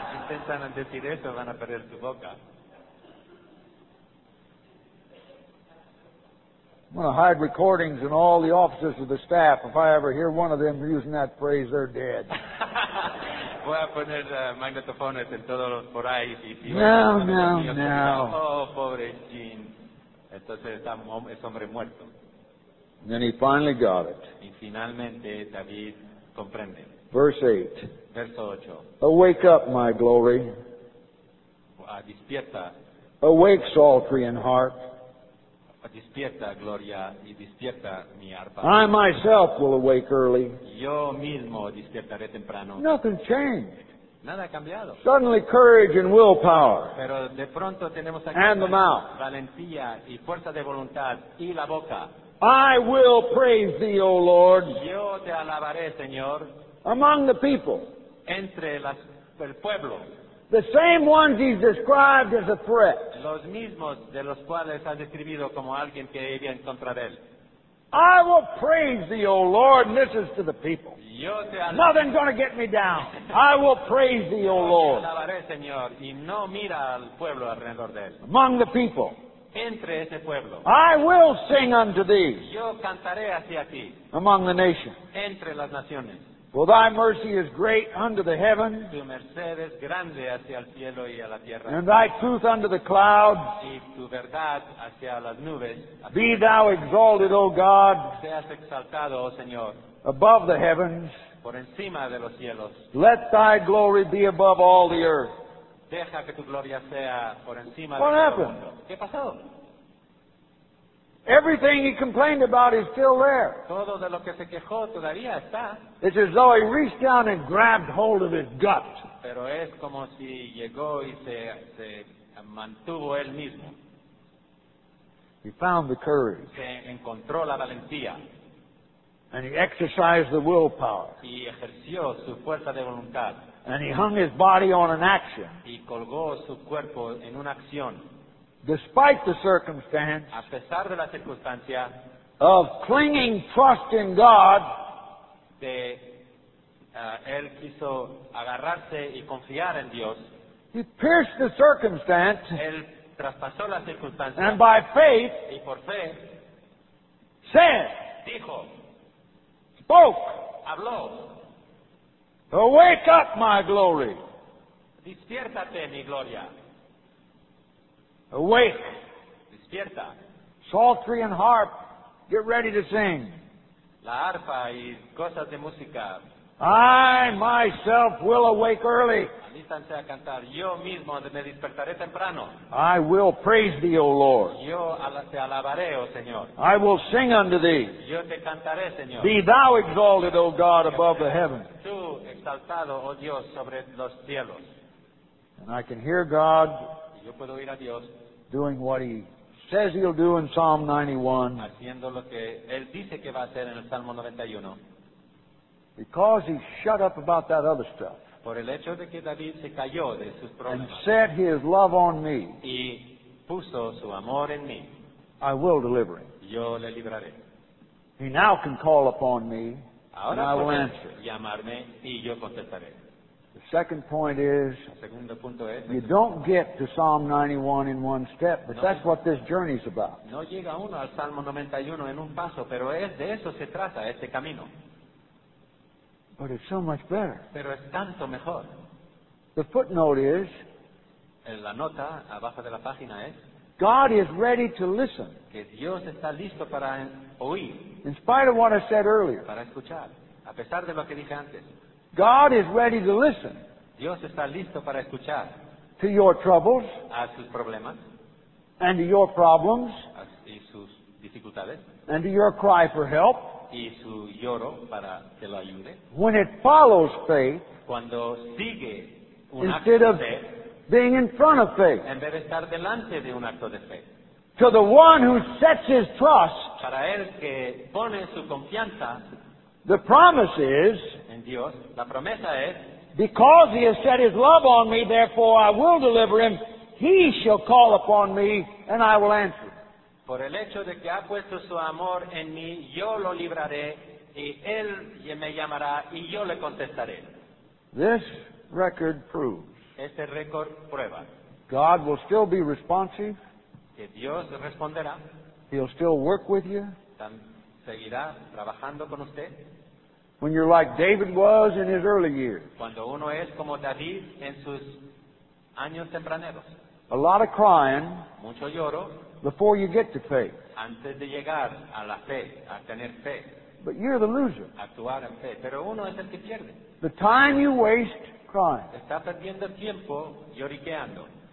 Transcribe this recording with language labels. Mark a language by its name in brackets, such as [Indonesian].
[Spanish] Intentan decir eso, van a perder su boca. [English] I'm going to hide recordings in all the offices of the staff. If I ever hear one of them using that phrase, they're dead. [Spanish] Voy a poner magnetofones en todos los por ahí. No, no, no. Oh, pobre Jean. Entonces es hombre muerto. [English] And then he finally got it. [Spanish] Y finalmente David comprende. [English] Verse 8. [Spanish] Verso 8. [English] Awake up, my glory. [Spanish] Despierta. [English] Awake, psaltery and harp. [Spanish] Despierta, Gloria, y despierta mi arpa. [English] I myself will awake early. [Spanish] Yo mismo despertaré temprano. [English] Nothing changed. [Spanish] Nada ha cambiado. [English] Suddenly courage and willpower. [Spanish] Pero de pronto tenemos aquí [English] and the mouth. [Spanish] Valentía y fuerza de voluntad y la boca. [English] I will praise thee, O Lord. [Spanish] Yo te alabaré, Señor. [English] Among the people. [Spanish] Entre las, el pueblo. [English] The same ones he's described as a threat. [Spanish] Los mismos de los cuales ha describido como alguien que iría en contra de él. [English] I will praise thee, O Lord, and this is to the people. [Spanish] Yo te alabaré. [English] Nothing's going to get me down. I will praise thee, [Spanish] yo [English] O Lord. [Spanish] Te alabaré, Señor, y no mira al pueblo alrededor de él. [English] Among the people. [Spanish] Entre ese pueblo. [English] I will sing unto thee. [Spanish] Yo cantaré hacia ti. [English] Among the nations. [Spanish] Entre las naciones. [English] For thy mercy is great unto the heaven, [Spanish] tu merced es grande hacia el cielo y a la tierra, [English] and thy truth unto the clouds, [Spanish] y tu verdad hacia las nubes. [English] Be thou exalted, O God, [Spanish] seas exaltado, oh Señor, [English] above the heavens, [Spanish] por encima de los cielos. [English] Let thy glory be above all the earth. [Spanish] Deja que tu gloria sea por encima [English] what [Spanish] de [English] happened? [Spanish] Todo el mundo. ¿Qué pasó? [English] Everything he complained about is still there. [Spanish] Todo de lo que se quejó todavía está. [English] It's as though he reached down and grabbed hold of his gut. [Spanish] Pero es como si llegó y se mantuvo él mismo. [English] He found the courage. [Spanish] Se encontró la valentía. [English] And he exercised the willpower. [Spanish] Y ejerció su fuerza de voluntad. [English] And he hung his body on an action. [Spanish] Y colgó su cuerpo en una acción. [English] Despite the circumstance, [Spanish] a pesar de la circunstancia, [English] of clinging trust in God, [Spanish] de él quiso agarrarse y confiar en Dios. [English] He pierced the circumstance, [Spanish] él traspasó la circunstancia, [English] and by faith, [Spanish] y por fe, [English] said, [Spanish] dijo, [English] spoke, [Spanish] habló, [English] awake up, my glory, [Spanish] despiértate, mi gloria. [English] Awake. [Spanish] Despierta. [English] Psaltery and harp. Get ready to sing. [Spanish] La arpa y cosas de música. [English] I myself will awake early. [Spanish] Alístanse a cantar. Yo mismo me despertaré temprano. [English] I will praise thee, O Lord. [Spanish] Yo te alabaré, O Señor. [English] I will sing unto thee. [Spanish] Yo te cantaré, Señor. [English] Be thou exalted, O God, above the heaven. [Spanish] Tú exaltado, O Dios, sobre los cielos. [English] And I can hear God. [Spanish] Yo puedo oír a Dios [English] doing what he says he'll do in Psalm 91. [Spanish] Haciendo lo que él dice que va a hacer en el Salmo 91. [English] Because he shut up about that other stuff. [Spanish] Por el hecho de que David se cayó de sus problemas. [English] And set his love on me. [Spanish] Y puso su amor en mí. [English] I will deliver him. [Spanish] Yo le libraré. [English] He now can call upon me. [Spanish] Ahora [English] and I will answer. [Spanish] Llamarme y yo contestaré. [English] The second point is, [Spanish] segundo punto es, [English] you don't get to Psalm 91 in one step, but [Spanish] no, [English] that's what this journey is about. [Spanish] No llega uno al Salmo 91 en un paso, pero es de eso se trata este camino. [English] But it's so much better. [Spanish] Pero es tanto mejor. [English] The footnote is, [Spanish] la nota abajo de la página es, [English] God is ready to listen. [Spanish] Que Dios está listo para oír. [English] In spite of what I said earlier. [Spanish] Para escuchar, a pesar de lo que dije antes. [English] God is ready to listen. [Spanish] Dios está listo para escuchar. [English] To your troubles. [Spanish] A sus problemas. [English] And to your problems. [Spanish] Y sus dificultades. [English] And to your cry for help. [Spanish] Y su lloro para que lo ayude. [English] When it follows faith. [Spanish] Cuando sigue un [English] instead [Spanish] acto [English] of [Spanish] fe, [English] being in front of faith. [Spanish] En vez de estar delante de un acto de fe. [English] To the one who sets his trust. [Spanish] Para el que pone su confianza. [English] The promise is. [Spanish] En Dios. La promesa es. [English] Because he has set his love on me, therefore I will deliver him. He shall call upon me, and I will answer. [Spanish] Por el hecho de que ha puesto su amor en mí, yo lo libraré, y él me llamará, y yo le contestaré. [English] This record proves. [Spanish] Este record prueba. [English] God will still be responsive. [Spanish] Que Dios responderá. [English] He'll still work with you. [Spanish] Seguirá trabajando con usted. [English] When you're like David was in his early years. [Spanish] Cuando uno es como David en sus años tempraneros. [English] A lot of crying. [Spanish] Mucho lloro. [English] Before you get to faith. [Spanish] Antes de llegar a la fe, a tener fe. [English] But you're the loser. [Spanish] Actuar en fe. Pero uno es el que pierde. The time you waste crying. Está perdiendo tiempo lloriqueando.